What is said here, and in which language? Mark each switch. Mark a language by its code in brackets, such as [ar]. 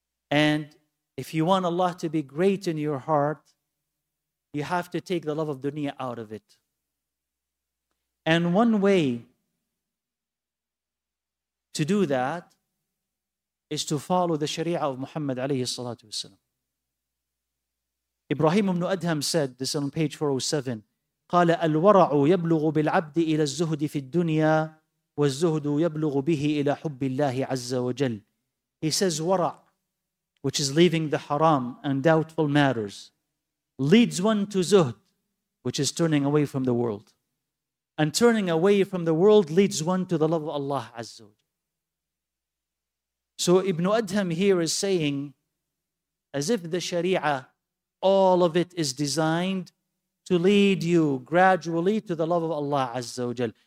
[en] And if you want Allah to be great in your heart, you have to take the love of dunya out of it. And one way to do that is to follow the sharia of Muhammad alayhi salatu wasalam. Ibrahim ibn Adham said this on page 407, [ar] قال الورع يبلغ بالعبد إلى الزهد في الدنيا والزهد يبلغ به إلى حب الله عز وجل. [en] He says ورع, which is leaving the haram and doubtful matters, leads one to zuhd, which is turning away from the world. And turning away from the world leads one to the love of Allah [ar] عز وجل. [en] So Ibn Adham here is saying, as if the sharia, all of it is designed to lead you gradually to the love of Allah Azza wa Jal.